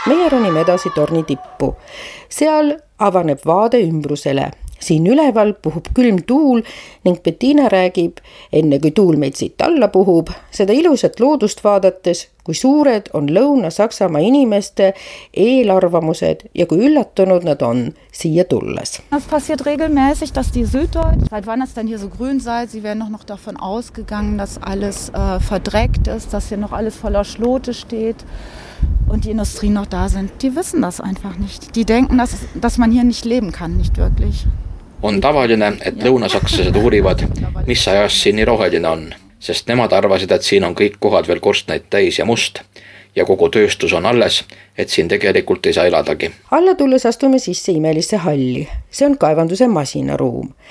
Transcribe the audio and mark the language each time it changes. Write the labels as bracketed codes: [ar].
[et] Ronime edasi torni tippu. Seal avaneb vaade ümbrusele. Siin üleval puhub külm tuul ning Bettina räägib, enne kui tuul meid siit alla puhub, seda ilusat loodust vaadates, kui suured on Lõuna-Saksamaa inimeste eelarvamused ja kui üllatunud nad on siia tulles. [de] Das passiert regelmäßig, dass die Süddeutsche, seit wann es denn hier so grün sei, sie wären noch davon ausgegangen, dass alles verdreckt ist, dass hier noch alles voller Schlote steht. Und die Industrie noch da sind, die wissen das einfach nicht. Die denken, dass man hier nicht leben kann, nicht wirklich. [et] On tavaline, et lõunasakslased uurivad, mis ajas siin nii roheline on, sest nemad arvasid, et siin on kõik kohad veel korstnaid täis ja must ja kogu tööstus on alles, et siin tegelikult ei saa eladagi. Alla tulles astume sisse imelisse halli. See on kaevanduse masinaruum.